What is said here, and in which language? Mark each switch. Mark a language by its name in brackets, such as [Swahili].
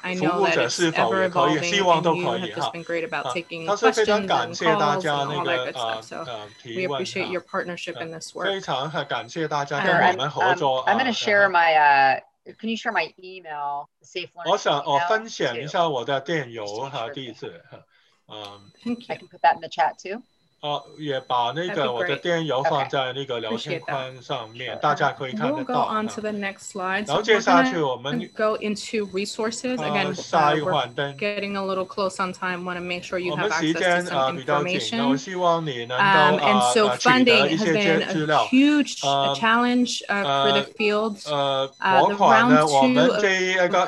[English] I know that it's ever evolving, and you have just been great about taking questions and calls and all that good stuff. So we appreciate your partnership in this work. I'm going to share my, can you share my email, Safe Learning email? [Chinese] 分享一下我的电邮和地址。 [English] Thank you. I can put that in the chat too. [Chinese] 也把那个我的电邮放在那个聊天框上面、 [English] okay. [Chinese] 大家可以看得到、 [English] we'll go on to the next slide. [Chinese] 然后接下去我们 [English] go into resources again we're getting a little close on time want to make sure you have access to some information and so funding has been a huge challenge for the field the round two of